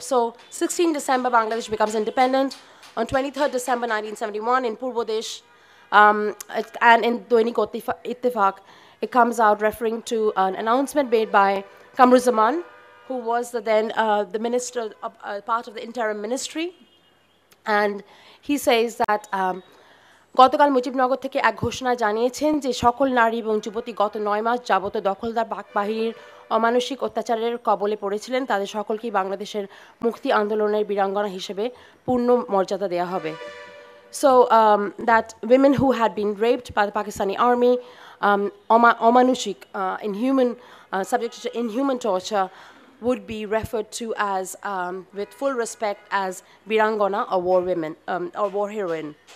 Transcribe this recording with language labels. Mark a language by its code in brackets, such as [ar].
[en] So 16 December, Bangladesh becomes independent. On 23rd December 1971 in Purvodesh, and in Doinik Ittefaq, it comes out referring to an announcement made by Kamruzzaman, who was the minister, part of the interim ministry. And he says that [bn] গতকাল মুজিবনগর থেকে এক ঘোষণা জানিয়েছেন যে সকল নারী এবং যুবতী গত 9 মাস যাবত দখলদার পাকবাহিনীর অমানসিক অত্যাচারের কবলে পড়েছিলেন তাদের সকলকে বাংলাদেশের মুক্তি আন্দোলনের বীরাঙ্গনা হিসেবে পূর্ণ মর্যাদা দেয়া হবে. [en] So that women who had been raped by the Pakistani army, omanushik, inhuman, subject to inhuman torture, would be referred to as, with full respect, as birangona, or war women, or war heroine.